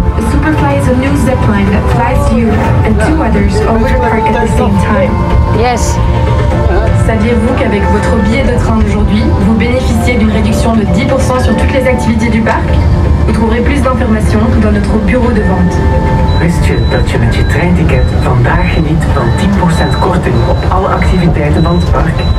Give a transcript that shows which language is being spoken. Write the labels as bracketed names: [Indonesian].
[English] Superfly is a new zipline that flies you and two others over the park at the same time. Yes. [French] Saviez-vous qu'avec votre billet de train d'aujourd'hui, vous bénéficiez d'une réduction de 10% sur toutes les activités du parc? Vous trouverez plus d'informations dans notre bureau de vente. [Dutch] Wist je dat je met je treinticket vandaag geniet van 10% korting op alle activiteiten van het park?